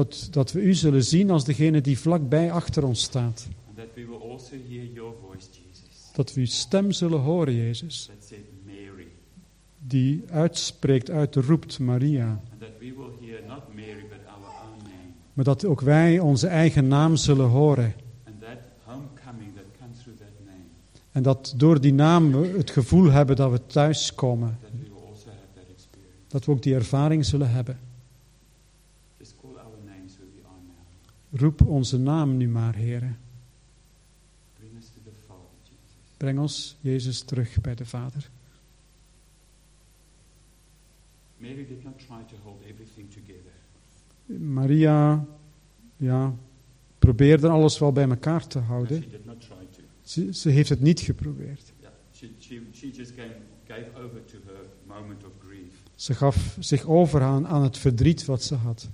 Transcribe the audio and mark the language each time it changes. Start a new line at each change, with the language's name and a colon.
Dutch: Dat we u zullen zien als degene die vlakbij achter ons staat.
English: And that we will also hear your voice, Jesus.
Dutch: Dat we uw stem zullen horen, Jezus.
English: That said Mary.
Dutch: Die uitspreekt, uitroept Maria.
English: And that we will hear not Mary, but
Dutch: maar dat ook wij onze eigen naam zullen horen.
English: And that homecoming that comes through that name.
Dutch: En dat door die naam we het gevoel hebben dat we thuis komen.
English: That we will also have that experience.
Dutch: Dat we ook die ervaring zullen hebben.
English: Just call our names where we are now.
Dutch: Roep onze naam nu maar, Heere.
English: Bring us to the Father, Jesus.
Dutch: Breng ons, Jezus, terug bij de Vader.
English: Mary did not try to hold everything together.
Dutch: Maria, ja, probeerde alles wel bij elkaar te houden.
English: She did not try to.
Dutch: Ze heeft het niet geprobeerd.
English: Yeah, she just gave over to her moment of grief.
Dutch: Ze gaf zich over aan het verdriet wat ze had.